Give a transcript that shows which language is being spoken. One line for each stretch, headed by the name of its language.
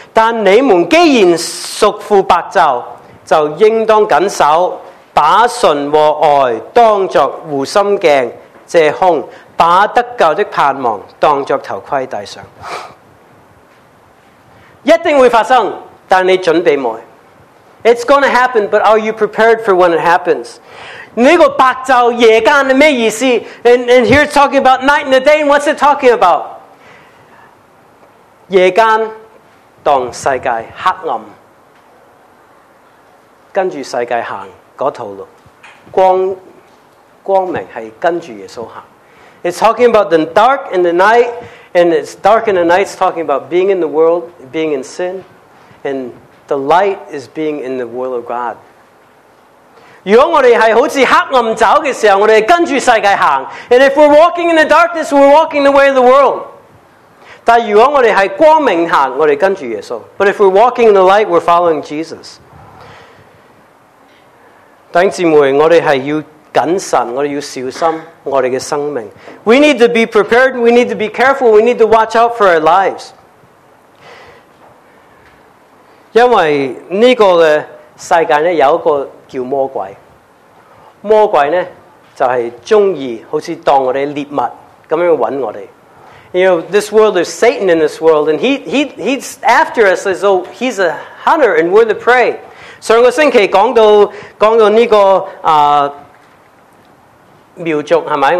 Chinese: 但你们既然属乎白昼，就应当谨守，把信和爱当作护心镜遮胸，把得救的盼望当作头盔戴上。一定会发生，但你准备没？
English: It's going to happen, but are you prepared for when it happens?
Chinese: 这个白昼夜间是什么意思？
English: And here it's talking about night and the day, and what's it talking about?
Chinese: 夜间当世界黑暗，跟着世界行那套路， 光明是跟着耶稣行。
English: It's talking about the dark and the night, and it's dark in the night, it's talking about being in the world, being in sin, and the light is being in the will of God.
Chinese: 如果我们是好像黑暗走的时候，我们是跟着世界行。
English: And if we're walking in the darkness, we're walking the way of the world.
Chinese: 但如果我们是光明行，我们跟着耶稣。
English: But if we're walking in the light, we're following Jesus.
Chinese: 弟兄姊妹，我们是要谨慎，我们要小心我们的生命。
English: We need to be prepared, we need to be careful, we need to watch out for our lives.
Chinese: 因为这个的世界有一个叫魔鬼，魔鬼呢就是喜欢好像当我们猎物这样找我们。
English: You know, this world, there's Satan in this world, and he's after us as though he's a hunter and we're the prey.
Chinese: 上个星期讲到这个苗族，是吧？